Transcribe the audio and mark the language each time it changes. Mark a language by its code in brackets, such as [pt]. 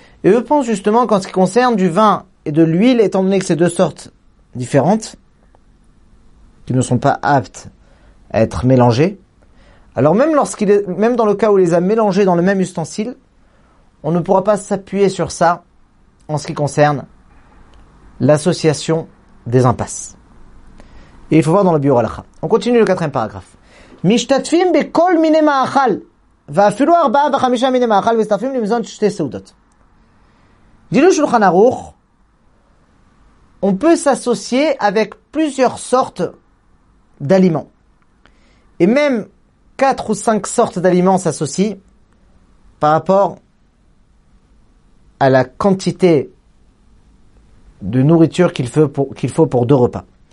[fr] Et eux pensent justement qu'en ce qui concerne du vin et de l'huile, étant donné que c'est deux sortes différentes, qui ne sont pas aptes à être mélangées, alors même dans le cas où il les a mélangés dans le même ustensile, on ne pourra pas s'appuyer sur ça en ce qui concerne l'association des impasses. Et il faut voir dans le bureau halakha. On continue le quatrième paragraphe. [he] משתתפים בכל מיני מאכל ואפילו ארבעה וחמישה מיני מאכל ומצטרפים למזון שתי סעודות. דילו שולחן ארוך, [fr] on peut s'associer avec plusieurs sortes d'aliments. Et même 4 ou 5 sortes d'aliments s'associent par rapport à la quantité de nourriture qu'il faut pour deux repas.